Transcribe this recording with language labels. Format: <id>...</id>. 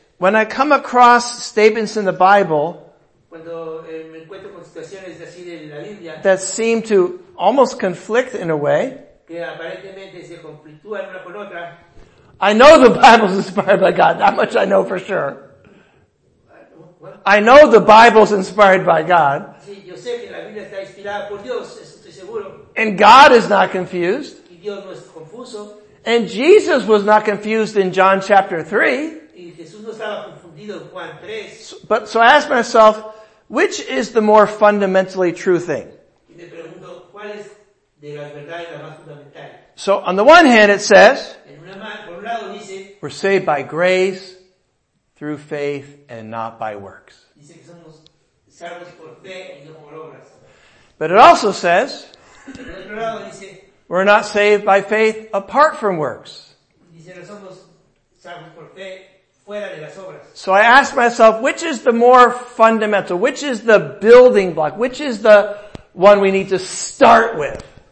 <en>When I come across statements in the Bible</en> <es>cuando, me encuentro con situaciones así de la Biblia,</es> <en>that seem to almost conflict in a way,</en> <es>que aparentemente se conflictúan una con otra,</es> <en>I know the Bible is inspired by God. That much I know for sure. I know the Bible's inspired by God.</en> <es>Sí, yo sé que la Biblia está inspirada por Dios, eso estoy seguro.</es> <en>And God is not confused.</en> <es>Y Dios no es confuso.</es> <en>And Jesus was not confused in John chapter 3.</en> <es>Y Jesús no estaba confundido en Juan 3.</es> <en>So I asked myself, which is the more fundamentally true thing?</en> <es>Y me pregunto, ¿cuál es de las verdades la más fundamental?</es> <en>So on the one hand it says,</en> <es>por un lado dice,</es> <en>we're saved by grace through faith and not by works.</en> <es>Dice que somos salvos por fe y no por obras.</es> <en>But it also says,</en> <es>por otro lado dice,</es> <en>we're not saved by faith apart from works.</en> <es>Dice, no somos salvos por fe fuera de las obras.</es> <en>So I ask myself, which is the more fundamental? Which is the building block? Which is the one we need to start with?</en>